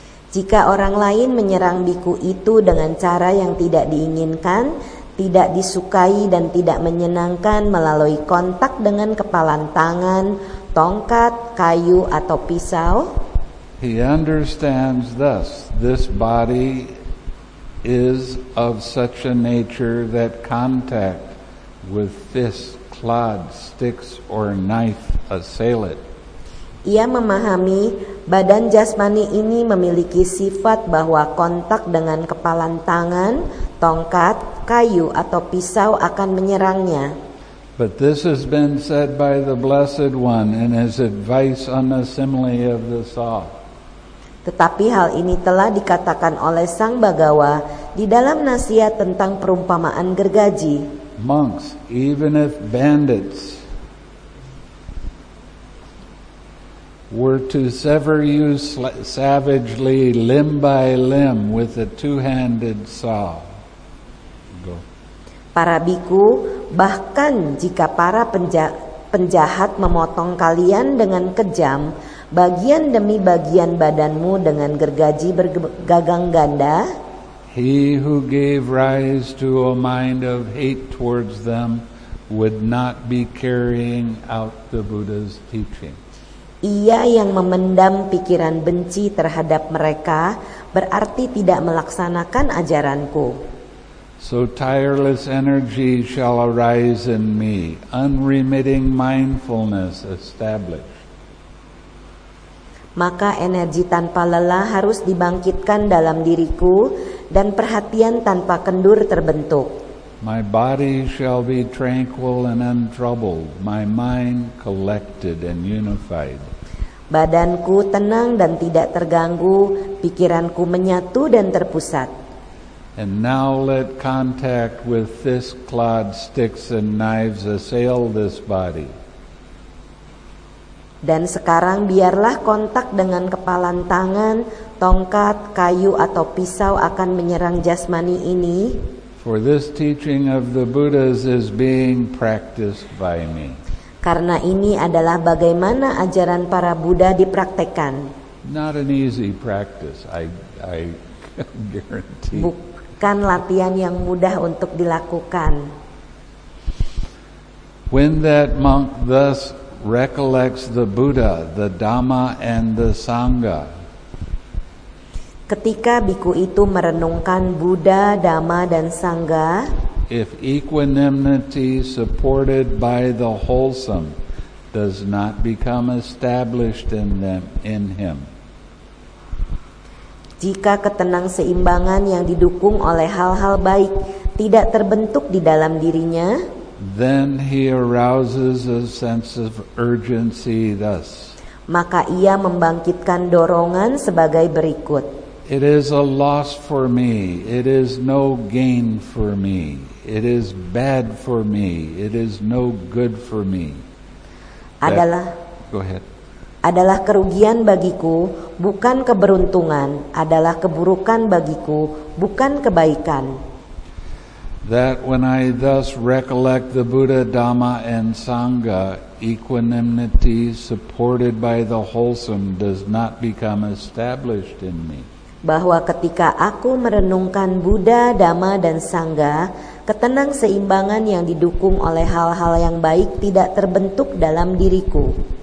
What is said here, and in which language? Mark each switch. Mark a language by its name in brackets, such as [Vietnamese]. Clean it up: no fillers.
[Indonesian] Jika orang lain menyerang biku itu dengan cara yang tidak diinginkan, tidak disukai, dan tidak menyenangkan melalui kontak dengan kepalan tangan, tongkat, kayu, atau pisau. [English] He understands thus, this body is of such a nature that contact with fists, clods, sticks, or knife assail it. [Indonesian] Ia memahami badan jasmani ini memiliki sifat bahwa kontak dengan kepalan tangan, tongkat, kayu, atau pisau akan menyerangnya. [English] But this has been said by the Blessed One in his advice on the simile of the saw. [Indonesian] Tetapi hal ini telah dikatakan oleh Sang Bhagawa di dalam nasihat tentang perumpamaan gergaji. [English] Monks, even if bandits were to sever you savagely limb by limb with a two-handed saw. Go. [Indonesian] Para bhikkhu, bahkan jika para penjahat memotong kalian dengan kejam, bagian demi bagian badanmu dengan gergaji bergagang ganda. [English] He who gave rise to a mind of hate towards them would not be carrying out the Buddha's teaching. [Indonesian] Ia yang memendam pikiran benci terhadap mereka berarti tidak melaksanakan ajaranku. [English] So tireless energy shall arise in me, unremitting mindfulness established. [Indonesian] Maka energi tanpa lelah harus dibangkitkan dalam diriku dan perhatian tanpa kendur terbentuk. [English] My body shall be tranquil and untroubled, my mind collected and unified. [Indonesian] Badanku tenang dan tidak terganggu, pikiranku menyatu dan terpusat. [English] And now let contact with fists, clods, sticks, and knives assail this body. [Indonesian] Dan sekarang biarlah kontak dengan kepalan tangan, tongkat, kayu, atau pisau akan menyerang jasmani ini. [English] For this teaching of the Buddhas is being practiced by me. [Indonesian] Karena ini adalah bagaimana ajaran para Buddha dipraktekan. [English] Not an easy practice, I guarantee. [Indonesian] Bukan latihan yang mudah untuk dilakukan. [English] When that monk thus recollects the Buddha, the Dhamma, and the Sangha. [Indonesian] Ketika bhikkhu itu merenungkan Buddha, Dhamma, dan Sangha. [English] If equanimity supported by the wholesome does not become established in him. [Indonesian] Jika ketenang seimbangan yang didukung oleh hal-hal baik tidak terbentuk di dalam dirinya. [English] Then he arouses a sense of urgency thus. [Indonesian] Maka ia membangkitkan dorongan sebagai berikut. [English] It is a loss for me. It is no gain for me. It is bad for me. It is no good for me. [Indonesian] Adalah. [English] Go ahead. [Indonesian] adalah kerugian bagiku, bukan keberuntungan, adalah keburukan bagiku, bukan kebaikan. [English] That when I thus recollect the Buddha, Dhamma, and Sangha, equanimity supported by the wholesome does not become established in me. [Indonesian] Bahwa ketika aku merenungkan Buddha, Dhamma, dan Sangha, ketenang seimbangan yang didukung oleh hal-hal yang baik tidak terbentuk dalam diriku.